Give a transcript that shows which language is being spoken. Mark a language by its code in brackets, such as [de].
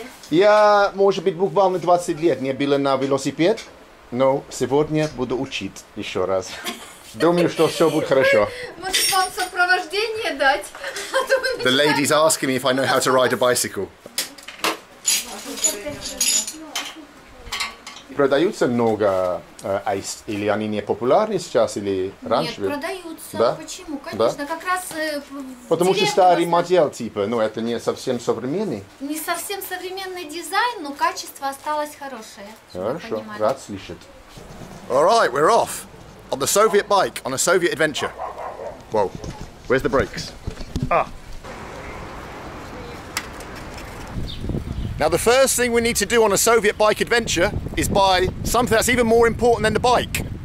[ru] Я, может быть, буквально 20 лет не был на велосипед, но сегодня буду учить еще раз. Думаю, что все будет хорошо. Может, вам сопровождение дать? [en] The lady's asking me if I know how to ride a bicycle. [ru] Продаются много айс? Или они не популярны сейчас, или раньше? Нет, продаются. Да? Почему? Конечно, да? Как раз потому что старый модель, типа, ну это не совсем современный. Не совсем современный дизайн, но качество осталось хорошее. Хорошо, рад слышать. [en] Alright, we're off. On the Soviet bike, on a Soviet adventure. Whoa, where's the brakes? Ah. Now the first thing we need to do on a Soviet bike adventure is buy something that's even more important than the bike.